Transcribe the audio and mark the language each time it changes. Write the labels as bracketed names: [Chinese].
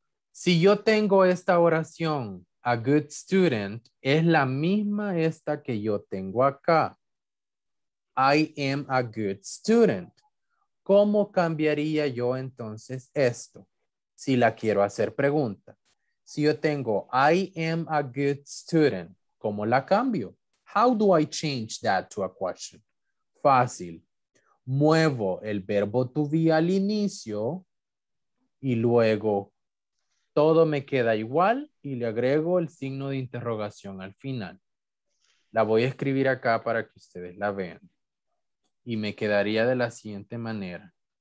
[Spanish] Si yo tengo esta oración, [English] a good student, [Spanish] es la misma esta que yo tengo acá. [English] I am a good student. [Spanish] ¿Cómo cambiaría yo entonces esto? Si la quiero hacer pregunta. Si yo tengo [English] I am a good student, [Spanish] ¿cómo la cambio? [English] How do I change that to a question? [Spanish] Fácil. Muevo el verbo to be al inicio y luego todo me queda igual y le agrego el signo de interrogación al final. La voy a escribir acá para que ustedes la vean. Y me quedaría de la siguiente manera.